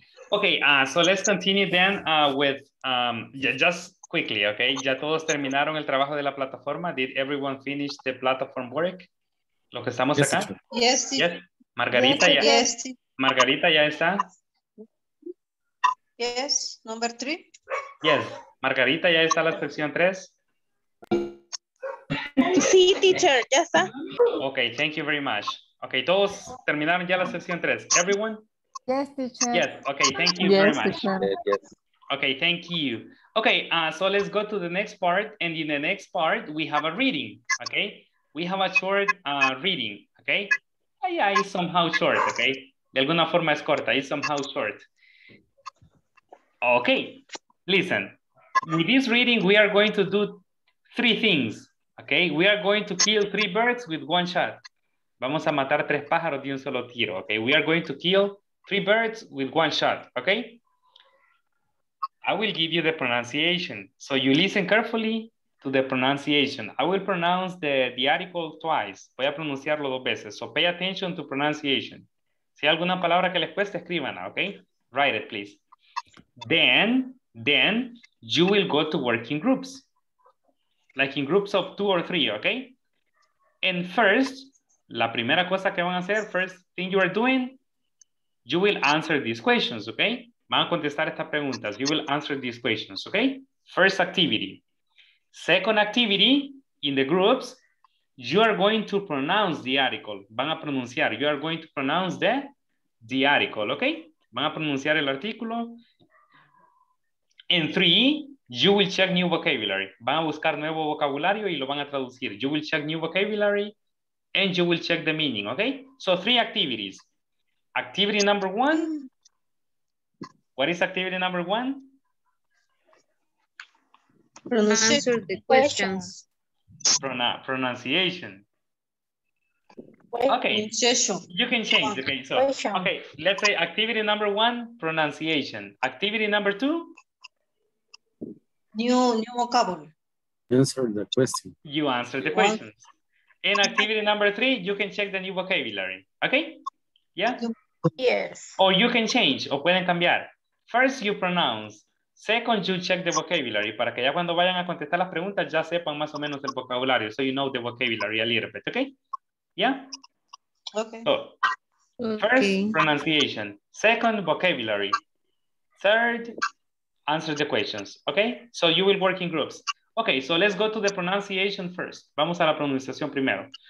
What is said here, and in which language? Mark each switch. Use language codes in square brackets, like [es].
[en] Okay, so let's continue then with, just quickly, okay? [es] Ya todos terminaron el trabajo de la plataforma. [en] Did everyone finish the platform work? [es] Lo que estamos [en] yes, [es] acá. [en] Teacher. Yes, sí. Yes. Margarita yes, [es] ya. [en] Yes, [es] Margarita ya está. [en] Yes, number three. [es] Yes, Margarita ya está la sección tres. Sí, teacher, ya está. [en] Okay, thank you very much. Okay, [es] todos terminaron ya la sección tres. [en] Everyone? Yes, teacher. Yes, okay, thank you yes, very much. Teacher. Okay, thank you. Okay, so let's go to the next part. And in the next part, we have a reading, okay? We have a short reading, okay? Yeah, it's somehow short, okay? [es] De alguna forma es corta, [en] it's somehow short. Okay, listen. With this reading, we are going to do three things. Okay, we are going to kill three birds with one shot. [es] Vamos a matar tres pájaros de un solo tiro. [en] Okay, we are going to kill three birds with one shot. Okay, I will give you the pronunciation. So you listen carefully to the pronunciation. I will pronounce the article twice. [es] Voy a pronunciarlo dos veces. [en] So pay attention to pronunciation. [es] Si hay alguna palabra que les cueste, escríbanla. [en] Okay, write it, please. Then you will go to working groups. Like in groups of two or three, okay? And first, [es] la primera cosa que van a hacer, [en] first thing you are doing, you will answer these questions, okay? [es] Van a contestar estas preguntas. [en] You will answer these questions, okay? First activity. Second activity in the groups, you are going to pronounce the article. [es] Van a pronunciar. [en] You are going to pronounce the article, okay? [es] Van a pronunciar el artículo. [en] And three, you will check new vocabulary. [es] Van a buscar nuevo vocabulario y lo van a traducir. [en] You will check new vocabulary and you will check the meaning, okay? So three activities. Activity number one. What is activity number one? Answer the questions. Pronunciation. Okay. Pronunciation. You can change, okay. So, okay, let's say activity number one, pronunciation. Activity number two? New vocabulary. Answer the question. You answer the question. In activity number three, you can check the new vocabulary. Okay? Yeah? Yes. Or you can change. [es] O pueden cambiar. [en] First, you pronounce. Second, you check the vocabulary. [es] Para que ya cuando vayan a contestar las preguntas, ya sepan más o menos el vocabulario. [en] So you know the vocabulary a little bit. Okay? Yeah? Okay. So, first, okay. Pronunciation. Second, vocabulary. Third, answer the questions, okay? So you will work in groups. Okay, so let's go to the pronunciation first. [es] Vamos a la pronunciación primero.